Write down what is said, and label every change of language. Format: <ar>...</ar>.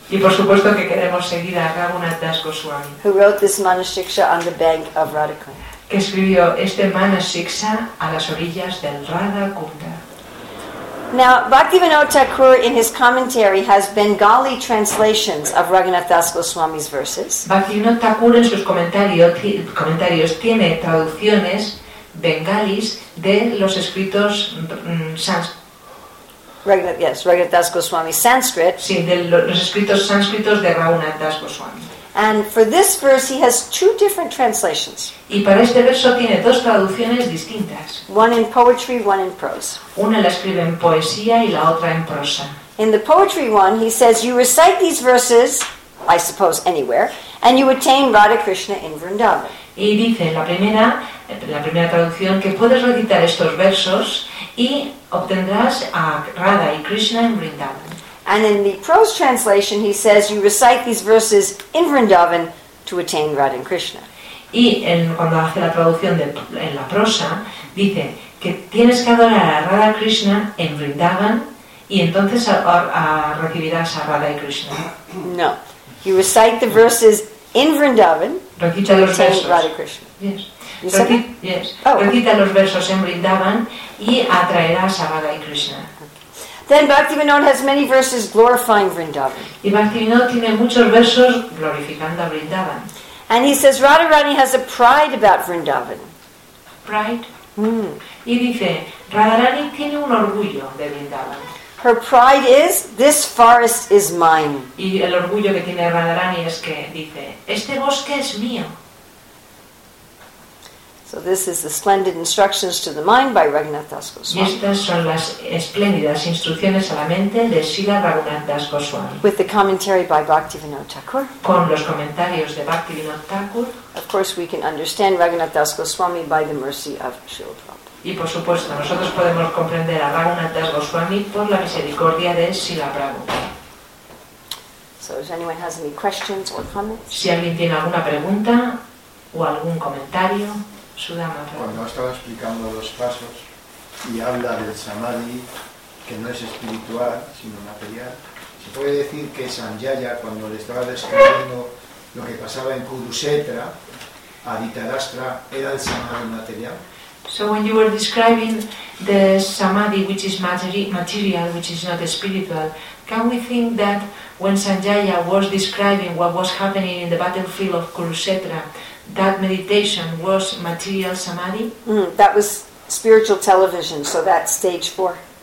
<es>Y por supuesto que queremos seguir a Raghunath Das Goswami.</es> <en>Who wrote this Manashiksha on the bank of Radhakunda.</en> <es>Que escribió este Manashiksha a las orillas del Radhakunda.</es> <en>Now, Bhaktivinoda Thakur in his commentary has Bengali translations of Raghunath Das Goswami's verses.</en> <es>Bhaktivinoda Thakur en sus comentarios tiene traducciones bengalis de los escritos</es> <en>Raghunath Das Goswami Sanskrit.</en> <es>Sí, de los escritos sánscritos de Raghunath Das Goswami.</es> <en>And for this verse, he has two different translations.</en> <es>Y para este verso tiene dos traducciones distintas.</es> <en>One in poetry, one in prose.</en> <es>Una la escribe en poesía y la otra en prosa.</es> <en>In the poetry one, he says you recite these verses, I suppose anywhere, and you attain Radha Krishna in Vrindavan.</en> <es>Y dice la primera traducción que puedes recitar estos versos y obtendrás a Radha y Krishna en Vrindavan.</es> <en>And in the prose translation, he says, you recite these verses in Vrindavan to attain Radha and Krishna.</en> <es>Y en, cuando hace la traducción de, en la prosa, dice que tienes que adorar a Radha Krishna en Vrindavan y entonces recibirás a Radha y Krishna.</es> <en>No. You recite the verses in Vrindavan</en> <es>recita</es> <en>to</en> <es>los</es> <en>attain</en> <es>versos.</es> <en>Radha Krishna. Yes.</en> <es>Recita los versos en Vrindavan y atraerás a Radha y Krishna.</es> <en>Then Bhaktivinoda has many verses glorifying Vrindavan.</en> <es>Y Bhaktivinoda tiene muchos versos glorificando a Vrindavan.</es> <en>And he says Radharani has a pride about Vrindavan.</en> <es>Pride? Y dice, Radharani tiene un orgullo de Vrindavan.</es> <en>Her pride is, this forest is mine.</en> <es>Y el orgullo que tiene Radharani es que dice, este bosque es mío.</es> <en>So this is the splendid instructions to the mind by Raghunath Das Goswami.</en> <es>Y estas son las espléndidas instrucciones a la mente de Srila Raghunath Das Goswami.</es> <en>With the commentary by Bhaktivinoda Thakur.</en> <es>Con los comentarios de Bhaktivinoda Thakur.</es> <en>Of course we can understand Raghunath Das Goswami by the mercy of Srila Prabhupada.</en> <es>Y por supuesto nosotros podemos comprender a Raghunath Das Goswami por la misericordia de Srila Prabhupada.</es> <en>So does anyone has any questions or comments?</en> <es>Si alguien tiene alguna pregunta o algún comentario. Cuando estaba explicando los pasos y habla del samadhi, que no es espiritual, sino material, se puede decir que Sanjaya, cuando le estaba describiendo lo que pasaba en Kurukshetra, a Dhritarashtra, era el samadhi material.</es> <en>So when you were describing the samadhi, which is material, which is not spiritual, can we think that when Sanjaya was describing what was happening in the battlefield of Kurukshetra, that meditation was material samadhi? That was spiritual television, so that's stage four.</en>